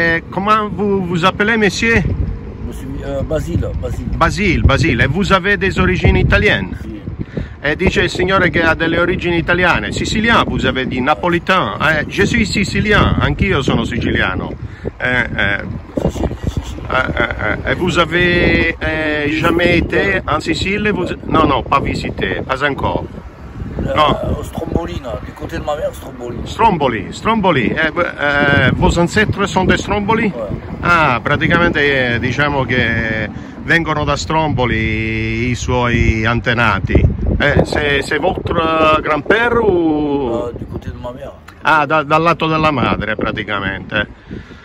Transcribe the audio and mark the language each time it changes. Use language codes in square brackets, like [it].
[fr] Comment vous appelez, monsieur? Basile. Basile, vous avez des origines italiennes? [it] Sì. E dice il signore che ha delle origini italiane, sicilian, [fr] vous avez dit, napolitain, je suis sicilien, [it] anch'io sono siciliano. [fr] E vous avez jamais été en Sicile? No, no, pas visité, pas encore. [it] No. [fr] Strombolina, du côté de ma mère, Strombolina. Stromboli, vos ancêtres sont des Stromboli? [it] Ah, praticamente diciamo che vengono da Stromboli i suoi antenati. [fr] C'est votre grand-père ou. Du côté de ma mère. [it] Ah, dal lato della madre praticamente.